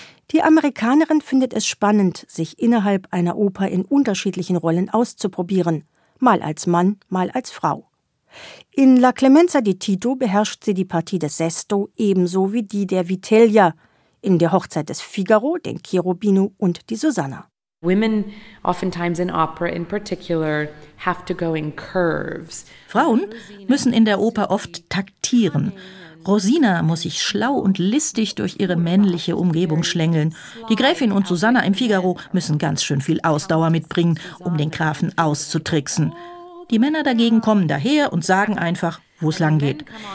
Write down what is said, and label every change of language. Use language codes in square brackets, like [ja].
[de] Die Amerikanerin findet es spannend, sich innerhalb einer Oper in unterschiedlichen Rollen auszuprobieren, mal als Mann, mal als Frau. In La Clemenza di Tito beherrscht sie die Partie des Sesto ebenso wie die der Vitellia, in der Hochzeit des Figaro, den Cherubino und die Susanna. [en] Women oftentimes in opera in particular have to go in curves. [de] Frauen müssen in der Oper oft taktieren. Rosina muss sich schlau und listig durch ihre männliche Umgebung schlängeln. Die Gräfin und Susanna im Figaro müssen ganz schön viel Ausdauer mitbringen, um den Grafen auszutricksen. Die Männer dagegen kommen daher und sagen einfach, wo es lang geht.